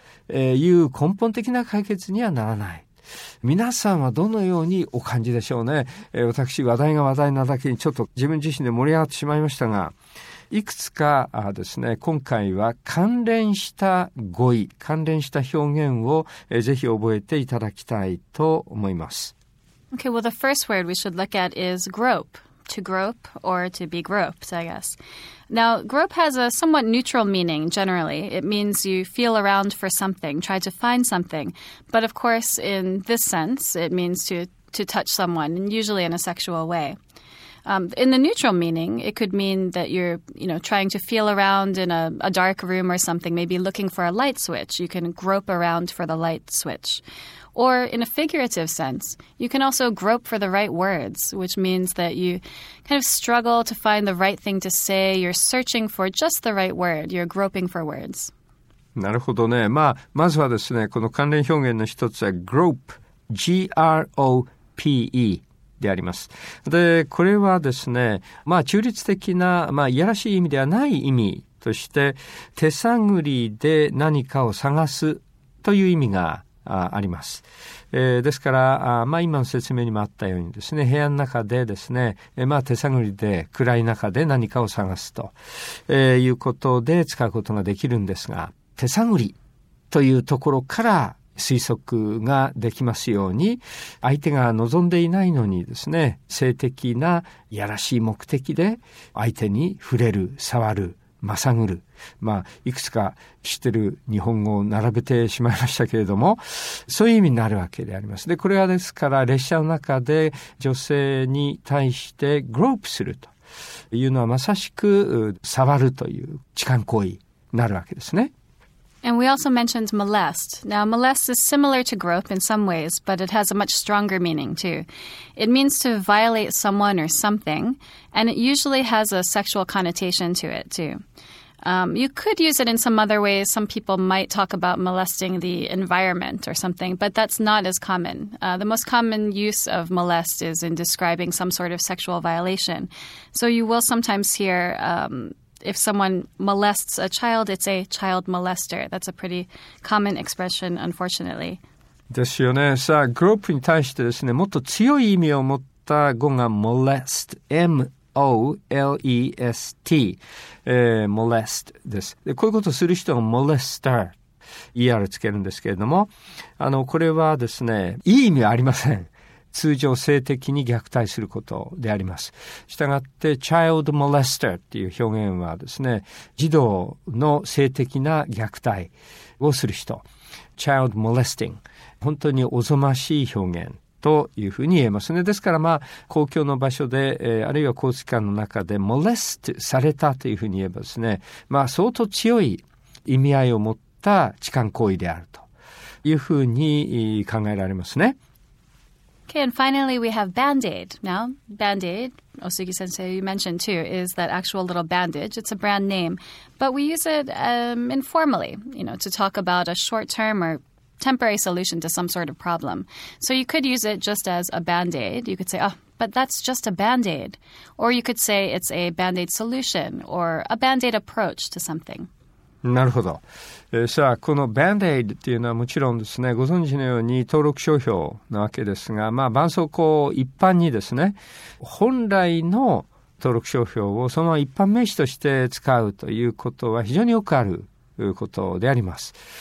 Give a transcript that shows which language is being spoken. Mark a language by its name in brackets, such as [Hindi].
[Japanese] いう根本的な解決にはならない。皆さんはどのようにお感じでしょうね。私、話題が話題なだけにちょっと自分自身で盛り上がってしまいましたが、いくつかですね、今回は関連した語彙、関連した表現をぜひ覚えていただきたいと思います。 [English] Okay, well, the first word we should look at is grope. To grope or to be groped, I guess. Now, grope has a somewhat neutral meaning, generally. It means you feel around for something, try to find something. But of course, in this sense, it means to touch someone, usually in a sexual way. In the neutral meaning, it could mean that you're, you know, trying to feel around in a dark room or something, maybe looking for a light switch. You can grope around for the light switch. Or in a figurative sense, you can also grope for the right words, which means that you kind of struggle to find the right thing to say. You're searching for just the right word. You're groping for words. [Japanese] なるほどね。まあ、まずはですね、この関連表現の一つは grope, G-R-O-P-E. であります。で、これはですね、まあ中立的な、まあいやらしい意味ではない意味として、手探りで何かを探すという意味があります。ですから、まあ今の説明にもあったようにですね、部屋の中でですね、まあ手探りで暗い中で何かを探すということで使うことができるんですが、手探りというところから、推測ができますように、相手が望んでいないのにですね、性的なやらしい目的で相手に触れる、触る、まさぐる。まあ、いくつか知ってる日本語を並べてしまいましたけれども、そういう意味になるわけであります。で、これはですから、列車の中で女性に対してグロープするというのはまさしく触るという痴漢行為になるわけですね。 [English] And we also mentioned molest. Now, molest is similar to grope in some ways, but it has a much stronger meaning, too. It means to violate someone or something, and it usually has a sexual connotation to it, too. You could use it in some other ways. Some people might talk about molesting the environment or something, but that's not as common. The most common use of molest is in describing some sort of sexual violation. So you will sometimes hear... If someone molests a child, it's a child molester. That's a pretty common expression, unfortunately. [Japanese] ですよね。さあ、グロープに対してですね、もっと強い意味を持った語が molest, M-O-L-E-S-T、molest です。で、こういうことをする人が molester、ER つけるんですけれども、これはですね、いい意味はありません。通常性的に虐待することであります。したがって、child molester っていう表現はですね、児童の性的な虐待をする人。 [English] child molesting。 [Japanese] 本当におぞましい表現というふうに言えますね。ですからまあ、公共の場所で、あるいは交通機関の中で molest されたというふうに言えばですね、まあ、相当強い意味合いを持った痴漢行為であるというふうに考えられますね。 [English] Okay, and finally we have Band-Aid. Now, Band-Aid, Osugi-sensei, you mentioned too, is that actual little bandage. It's a brand name. But we use it informally, you know, to talk about a short-term or temporary solution to some sort of problem. So you could use it just as a Band-Aid. You could say, oh, but that's just a Band-Aid. Or you could say it's a Band-Aid solution or a Band-Aid approach to something. [Japanese] なるほど。さあ、このバンデイドっていうのはもちろんですね、ご存知のように登録商標なわけですが、まあ、絆創膏を一般にですね、本来の登録商標をそのまま一般名詞として使うということは非常によくあることであります。